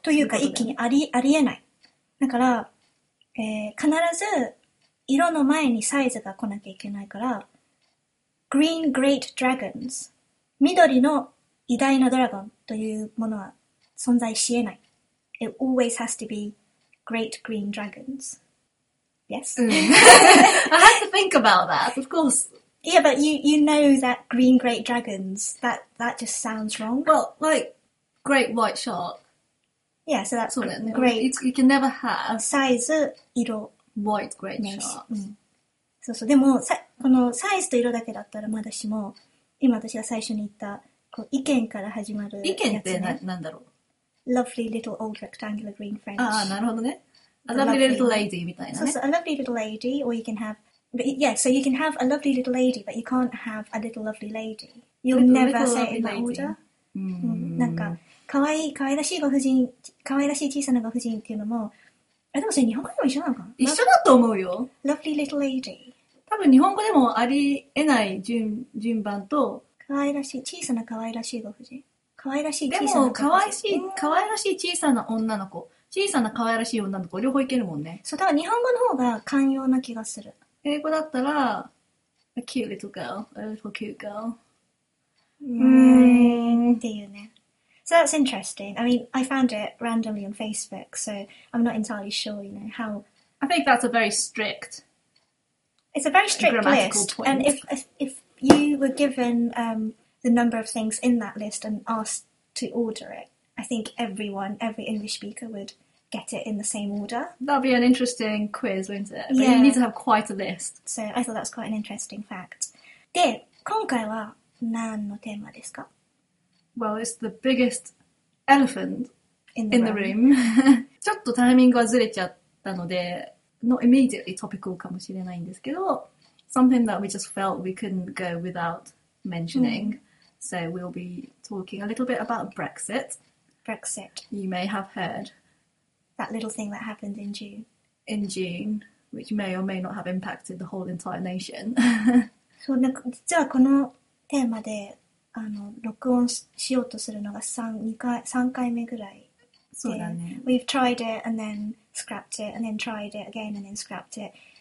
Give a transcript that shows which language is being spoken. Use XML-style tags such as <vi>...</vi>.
<ja>というか、一気にありえない。だから、必ず、色の前にサイズが来なきゃいけないから、</ja> <en>Green Great Dragons。</en> <ja>緑の偉大なドラゴンというものは存在しえない。</ja> <en>It always has to be Great Green Dragons. Yes?、 Mm. I have to think about that, of course. Yeah, but you know that Green Great Dragons, that just sounds wrong. Well, like,Great white shark. Yeah, so that's great. You can never have size, 色 white great shark.、うん、</en> <ja>そうそう。でもこのサイズと色だけだったらまだしも、今私が最初に言ったこう意見から始まるやつ、ね、意見って何だろう。</ja> <en>Lovely little old rectangular green French.</en> <ja>ああ、なるほどね。</ja> <en>A lovely little lady</en> <ja>みたいなね。</ja> <en>そうそう。A lovely little lady, or you can have, but yeah, so you can have a lovely little lady, but you can't have a little lovely lady. You'll never say it in that order.</en> <ja>うん、なんか可愛らしいご婦人、可愛らしい小さなご婦人っていうのも、あ、でもそれ日本語でも一緒なのか、一緒だと思うよ。</ja> <en>Lovely little lady、</en> <ja>多分日本語でもありえない 順番と、可愛らしい小さな可愛らしいご婦人、可愛らしい小さなご婦人、でも可愛らしい小さな女の子、小さな可愛らしい女の子、両方いけるもんね。そう、多分日本語の方が寛容な気がする。英語だったら</ja> <en>A cute little girl、 A little cute girl So that's interesting. I mean, I found it randomly on Facebook, so I'm not entirely sure, you know, how... I think that's a very strict... It's a very strict list.、 Point. And if you were given the number of things in that list and asked to order it, I think every English speaker would get it in the same order. That'd be an interesting quiz, wouldn't it? Yeah. But you need to have quite a list. So I thought that's quite an interesting fact.</en> <ja>で、今回は何のテーマですか?</ja> <en>Well, it's the biggest elephant in the room.</en> <ja>ちょっとタイミングはずれちゃったので、</ja> <en>not immediately topical</en> <ja>かもしれないんですけど、</ja> <en>something that we just felt we couldn't go without mentioning.、Mm. So we'll be talking a little bit about Brexit. Brexit. You may have heard. That little thing that happened in June. In June, which may or may not have impacted the whole entire nation.</en> <ja>そう、なんか実はこのテーマで録音しようとするのが 3回目ぐらいで、そうだね。</ja> <en>We've tried it and then scrapped it and then tried it again and then scrapped it.</en>